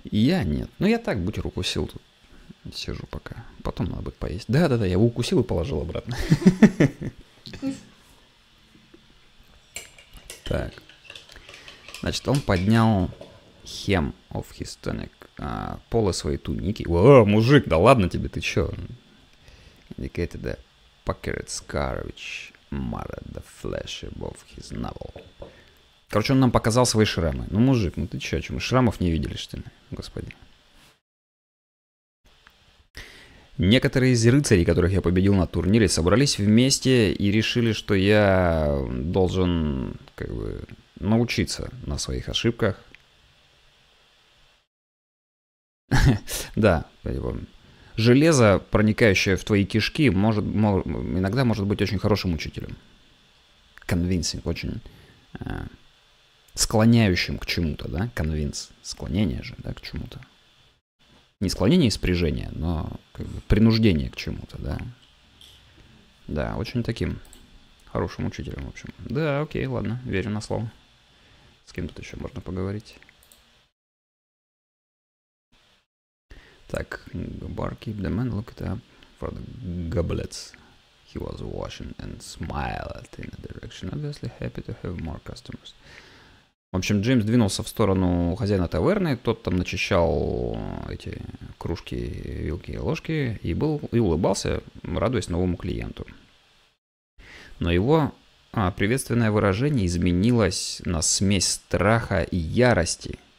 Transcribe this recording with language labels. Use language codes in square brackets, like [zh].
[ru] Я нет, ну я так, будь руку сил тут. Сижу пока, потом надо будет поесть. Да, я его укусил и положил обратно. Так, значит, он поднял [en] hem of his tunic, [ru] полы своей туники. О, мужик, да ладно тебе, ты чё? [en] Indicated a puckered scar, which marred the flesh above his navel. [ru] Короче, он нам показал свои шрамы. Ну, мужик, ну ты чё, мы шрамов не видели, что ли, господи? Некоторые из рыцарей, которых я победил на турнире, собрались вместе и решили, что я должен, как бы, научиться на своих ошибках. Да, железо, проникающее в твои кишки, иногда может быть очень хорошим учителем. Convincing, очень склоняющим к чему-то, да? Convince, склонение же, да, к чему-то. Не склонение и спряжение, но как бы принуждение к чему-то, да. Да, очень таким хорошим учителем, в общем. Да, окей, ладно, верю на слово. С кем тут еще можно поговорить? [en] Так, bar keep the man looked up for the goblets he was washing and smiled in the direction. Obviously happy to have more customers. [ru] В общем, Джеймс двинулся в сторону хозяина таверны, тот там начищал эти кружки, вилки и ложки, и улыбался, радуясь новому клиенту. Но его приветственное выражение изменилось на смесь страха и ярости.